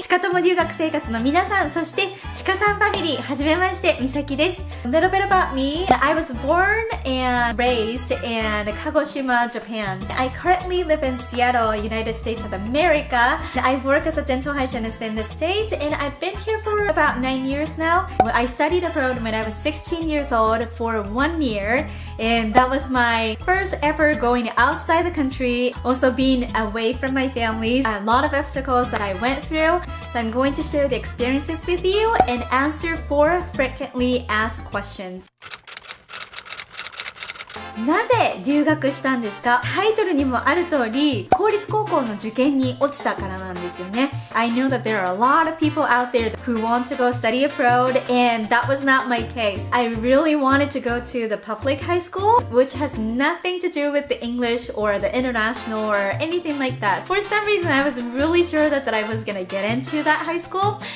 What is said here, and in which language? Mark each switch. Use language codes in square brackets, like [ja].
[ja] ちか友留学生活の皆さん、そしてちかさんファミリー、はじめまして、みさきです。 [en] Little bit about me. I was born and raised in Kagoshima, Japan. I currently live in Seattle, United States of America. I work as a dental hygienist in the States and I've been here for about 9 years now. I studied abroad when I was 16 years old for 1 year and that was my first ever going outside the country, also being away from my family. A lot of obstacles that I went through. So I'm going to share the experiences with you and answer 4 frequently asked questions. [ja] なぜ留学したんですか？タイトルにもある通り、公立高校の受験に落ちたからなんですよね。 [en] I know that there are a lot of people out there who want to go study abroad and that was not my case. I really wanted to go to the public high school which has nothing to do with the English or the international or anything like that. For some reason I was really sure that I was gonna get into that high school.